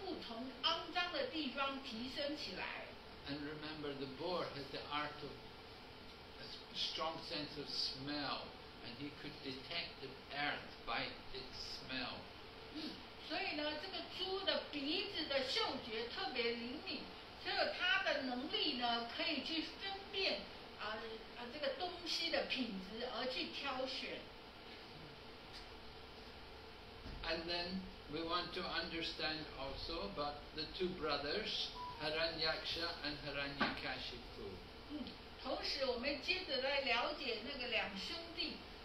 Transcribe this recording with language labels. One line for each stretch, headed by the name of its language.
Chinese: 然后它出现为一个猪的形体的意思是说，它是就是说，把生物从肮脏的地方提升起来。
English: And remember, the boar has the art of a strong sense of smell. And he could detect the earth by its smell.
Chinese: 所以呢，这个猪的鼻子的嗅觉特别灵敏，所以它的能力呢，可以去分辨这个东西的品质而去挑选。
English: And then we want to understand also about the two brothers, Hiranyaksha and Hiranyakashipu.
Chinese: 同时我们接着来了解那个两兄弟。